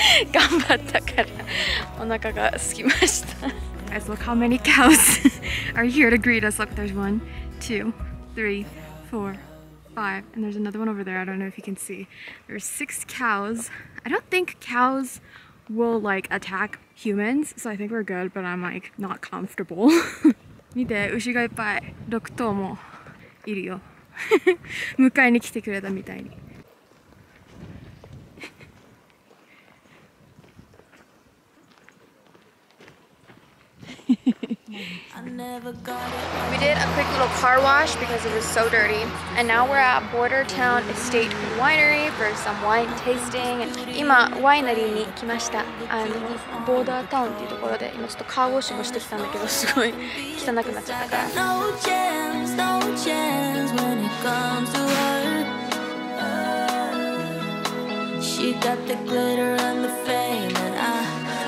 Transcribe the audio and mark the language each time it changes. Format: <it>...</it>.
<ja>頑張ったからお腹が空きました。</ja> <en>Guys, look how many cows are here to greet us. Look, there's 1, 2, 3, 4, 5, and there's another one over there. I don't know if you can see. There's 6 cows. I don't think cows will like attack humans, so I think we're good. But I'm like not comfortable.</en> <ja>見て、牛がいっぱい、6頭もいるよ。迎えに来てくれたみたいに。</ja> <en>We did a quick little car wash because it was so dirty. And now we're at Border Town Estate Winery for some wine tasting.</en> <ja>今、ワイナリーに来ました。あの、ボーダータウンっていうところで、今ちょっとカーウォッシュもしてきたんだけど、すごい汚くなっちゃったから。</ja>